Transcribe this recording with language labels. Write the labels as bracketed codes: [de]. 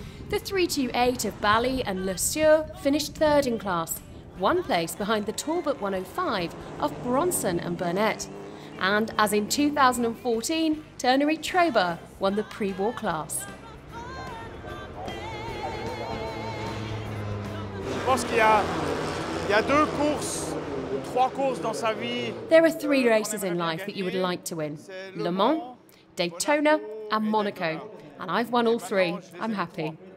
[en] The 328 of Bally and Le Sieur finished third in class, one place behind the Talbot 105 of Bronson and Burnett. And as in 2014, ternary Trober won the pre-war class. [fr] Je pense qu'il y a deux courses, trois courses dans sa vie. [en] There are three races in life that you would like to win. Le Mans, Daytona and Monaco. And I've won all three. I'm happy.